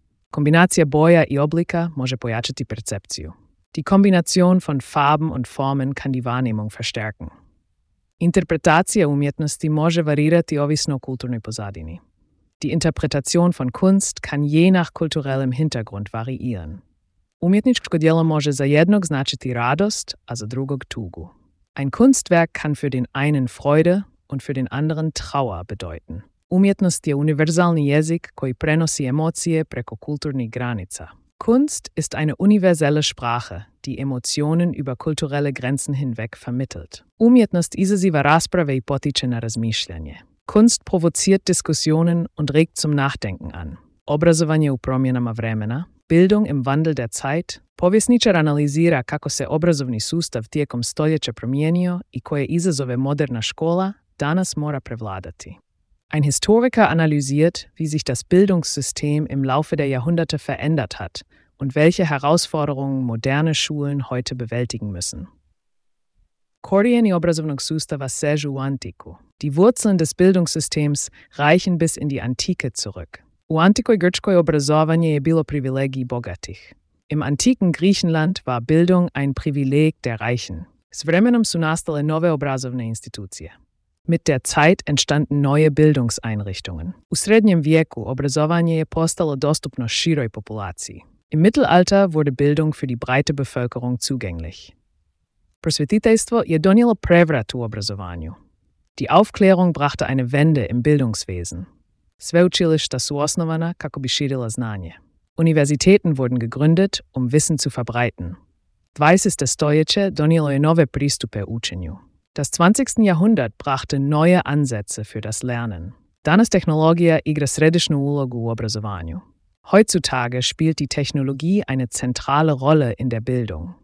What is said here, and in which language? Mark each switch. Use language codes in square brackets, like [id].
[hr] Kombinacija boja i oblika može pojačati percepciju. [de] Die Kombination von Farben und Formen kann die Wahrnehmung verstärken. [hr] Interpretacija umjetnosti može varirati ovisno o kulturnoj pozadini. [de] Die Interpretation von Kunst kann je nach kulturellem Hintergrund variieren. [hr] Umjetničko djelo može za jednog značiti radost, a za drugog tugu. [de] Ein Kunstwerk kann für den einen Freude und für den anderen Trauer bedeuten. [hr] Umjetnost je univerzalni jezik koji prenosi emocije preko kulturnih granica. [de] Kunst ist eine universelle Sprache, die Emotionen über kulturelle Grenzen hinweg vermittelt. [hr] Umjetnost izaziva rasprave i potiče na razmišljanje. [de] Kunst provoziert Diskussionen und regt zum Nachdenken an. [hr] Obrazovanje u promjenama vremena, [de] Bildung im Wandel der Zeit, [hr] povjesničar analizira kako se obrazovni sustav tijekom stoljeća promijenio i koje izazove moderna škola danas mora prevladati. [de] Ein Historiker analysiert, wie sich das Bildungssystem im Laufe der Jahrhunderte verändert hat und welche Herausforderungen moderne Schulen heute bewältigen müssen. [hr] Korijeni obrazovnog sustava sežu u antiku. [de] Die Wurzeln des Bildungssystems reichen bis in die Antike zurück. [hr] U antikoj Grčkoj obrazovanje je bilo privilegij bogatih. [de] Im antiken Griechenland war Bildung ein Privileg der Reichen. [hr] S vremenom su nastale nove obrazovne institucije. [de] Mit der Zeit entstanden neue Bildungseinrichtungen. [hr] U srednjem vijeku obrazovanje je postalo dostupno široj populaciji. [de] Im Mittelalter wurde Bildung für die breite Bevölkerung zugänglich. [hr] Prosvjetiteljstvo je donijelo prevrat u obrazovanju. [de] Die Aufklärung brachte eine Wende im Bildungswesen. [hr] Sveučilišta su osnovana kako bi širila znanje. [de] Universitäten wurden gegründet, um Wissen zu verbreiten. 20. [hr] stoljeće donijelo je nove pristupe učenju. [de] Das 20. Jahrhundert brachte neue Ansätze für das Lernen. [hr] Danas tehnologija igra središnju ulogu u obrazovanju. [de] Heutzutage spielt die Technologie eine zentrale Rolle in der Bildung.